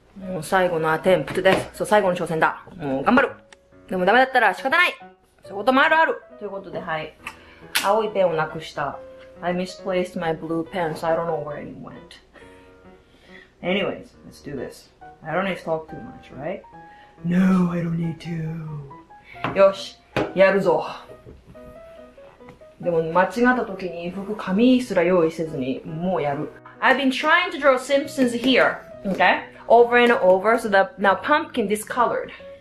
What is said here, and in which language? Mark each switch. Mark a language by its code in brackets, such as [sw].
[ja] もう最後のアテンプトです。そう、最後の挑戦だ。もう頑張る! でもダメだったら仕方ない!そういうこともあるある! ということで、はい。青いペンをなくした。 [en] I misplaced my blue pen, so I don't know where it went. Anyways, let's do this. I don't need to talk too much, right? No, I don't need to. [ja] よし、やるぞ。でも間違った時に服紙すら用意せずにもうやる。 [en] I've been trying to draw Simpsons here, okay? Over and over, so that now pumpkin discolored.